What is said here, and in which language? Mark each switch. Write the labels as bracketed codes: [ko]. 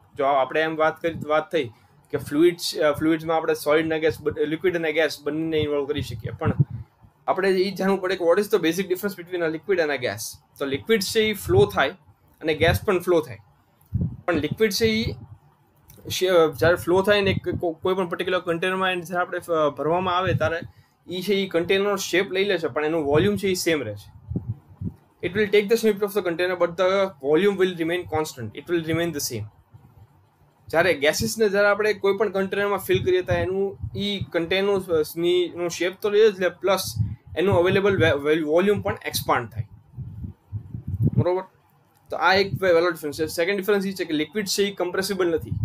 [gu] જો આપણે એમ વાત થઈ કે ફ્લુઇડ્સમાં આપણે સોલિડ અને ગેસ, લિક્વિડ અને ગેસ બંનેને ઇન્વોલ્વ કરી શકીએ, પણ આપણે એ જાણવું પડે કે [en] what is the basic difference between a liquid [gu] અને ગેસ. તો લિક્વિડ છે એ ફ્લો થાય અને ગેસ પણ ફ્લો થાય, પણ લિક્વિડ છે એ જ્યારે ફ્લો થાય ને કોઈ પણ પર્ટિક્યુલર કન્ટેનરમાં એને જ્યારે આપણે ભરવામાં આવે ત્યારે એ છે એ કન્ટેનરનો શેપ લઈ લે છે, પણ એનું વોલ્યુમ છે એ સેમ રહે છે. [en] it will take the shape of the container, but the volume will remain constant. It will remain the same. [gu] જ્યારે ગેસીસ ને જ્યારે આપણે કોઈ પણ કન્ટેનરમાં ફિલ કરીએ ત્યારે એનું ઈ કન્ટેનરની નો શેપ તો રહે જ, પ્લસ એનું અવેલેબલ વોલ્યુમ પણ એક્સપાન્ડ થાય. બરોબર, તો આ એક વેલો ડિફરન્સ છે. સેકન્ડ ડિફરન્સ એ છે કે લિક્વિડ છે એ કમ્પ્રેસિબલ નથી.